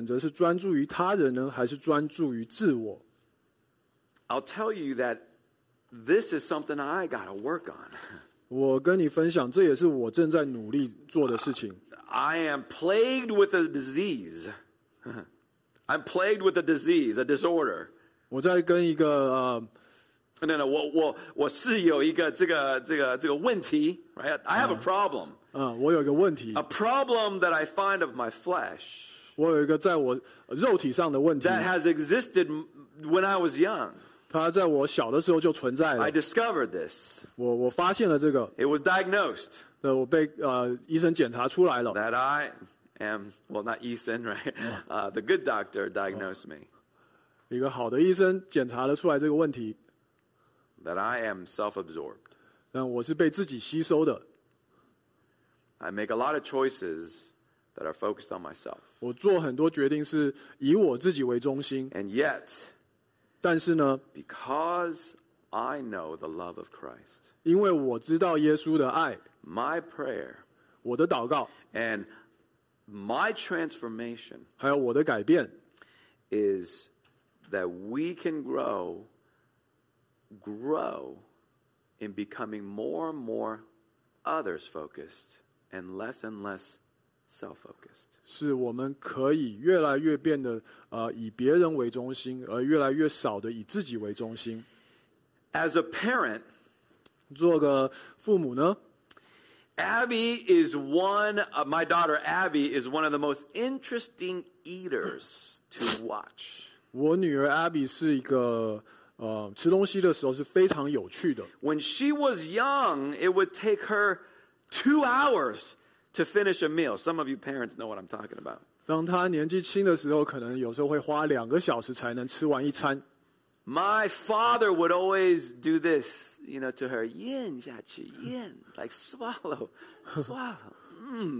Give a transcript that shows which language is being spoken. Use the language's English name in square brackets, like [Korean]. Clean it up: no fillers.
[Chinese] 所以你在生命中，你的选择是专注于他人呢，还是专注于自我？ [English] I'll tell you that this is something I got to work on. [Chinese] 我跟你分享，这也是我正在努力做的事情。 [English] I am plagued with a disease. I'm plagued with a disease, a disorder. [Chinese] 我在跟一个, [English] no, no, [Chinese] 我是有一个这个问题, [English] right? I have a problem. [Chinese] 我有一个问题, [English] a problem that I find of my flesh. [Chinese] 我有一个在我肉体上的问题, [English] that has existed when I was young. I discovered this. [Chinese] 我发现了这个, [English] it was diagnosed. [Chinese] 我被, 医生检查出来了, [English] that I am, well, not Ethan, right? The good doctor diagnosed me. [Chinese] 一个好的医生检查了出来这个问题, [English] that I am self-absorbed. [Chinese] 但我是被自己吸收的, [English] I make a lot of choices that are focused on myself. [Chinese] 我做很多决定是以我自己为中心, [English] and yet, [Chinese] 但是呢, [English] because I know the love of Christ, [Chinese] 因为我知道耶稣的爱, [English] my prayer, [Chinese] 我的祷告, [English] and my transformation, [Chinese] 还有我的改变, [English] is that we can grow in becoming more and more others focused and less self focused. [Chinese] 是我们可以越来越变得, 以别人为中心, 而越来越少的以自己为中心。 [English] As a parent, [Chinese] 做个父母呢, [English] Abby is one, my daughter Abby is one of the most interesting eaters to watch. [Chinese] 我女儿 Abby是一个, 吃东西的时候是非常有趣的。 [English] When she was young, it would take her 2 hours to finish a meal. Some of you parents know what I'm talking about. [Chinese] 当她年纪轻的时候, 可能有时候会花2个小时才能吃完一餐。 [English] My father would always do this, you know, to her, [Chinese] yin, xia qi, yin, [English] like swallow, swallow.